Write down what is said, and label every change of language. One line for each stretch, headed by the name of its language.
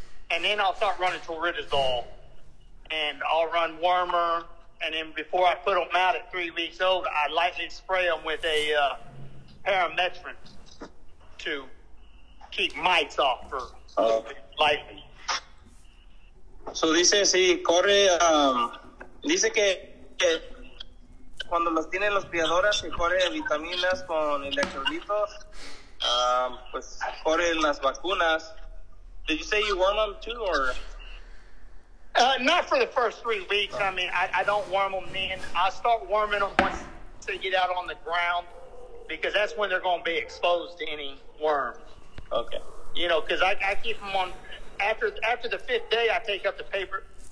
English: And then I'll start running Toradol and I'll run Wormer. And then before I put them out at 3 weeks old, I lightly spray them with a parametrin to keep mites off for lightly.
Spanish: So dice, sí, corre, dice que cuando los tienen los criadoras, se corre vitaminas con electrolitos, pues corre las vacunas.
English: Did you say you worm them too, or...? Not for the first 3 weeks. I mean, I don't worm them then. I start worming them once they get out on the ground because that's when they're going to be exposed to any worms. Okay. You know, because I keep them on... After the fifth day, I take up the paper